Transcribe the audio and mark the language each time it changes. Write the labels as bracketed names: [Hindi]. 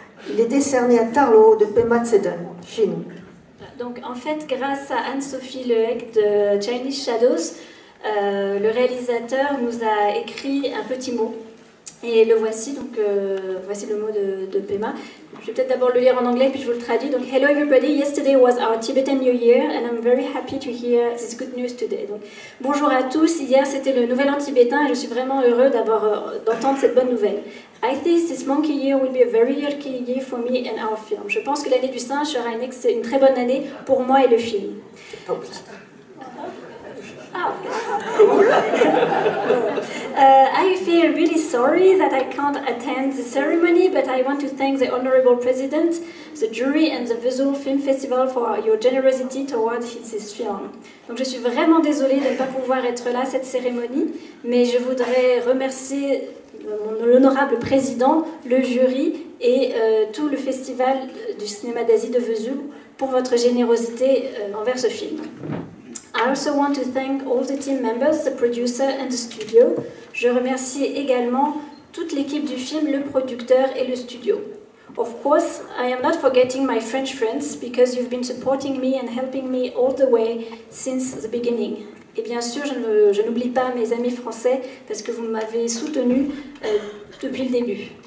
[French] Il est décerné à Tarlo de Pema Tseden. Fin. Donc, en fait, grâce à Anne-Sophie Lehec de Chinese Shadows, le réalisateur nous a écrit un petit mot. Et le voici, donc voici le mot de Pema. Je vais peut-être d'abord le lire en anglais, puis je vous le traduis. Donc, [English] hello everybody, yesterday was our Tibetan New Year, and I'm very happy to hear this good news today. [French] Donc, bonjour à tous, hier c'était le nouvel an tibétain, et je suis vraiment heureux d'avoir, d'entendre cette bonne nouvelle. [English] I think this monkey year will be a very lucky year for me and our film. [French] Je pense que l'année du singe sera une très bonne année pour moi et le film. [English] I feel really sorry that I can't attend the ceremony, but I want to thank the Honorable President, the jury and the Vesoul Film Festival for your generosity towards this film. [French] Donc je suis vraiment désolée de ne pas pouvoir être là à cette cérémonie, mais je voudrais remercier l'honorable président, le jury et tout le festival du cinéma d'Asie de Vesoul pour votre générosité envers ce film. [English] I also want to thank all the team members, the producer and the studio. [French] Je remercie également toute l'équipe du film, le producteur et le studio. [English] Of course, I am not forgetting my French friends because you've been supporting me and helping me all the way since the beginning. [French] Et bien sûr, je n'oublie pas mes amis français parce que vous m'avez soutenu depuis le début.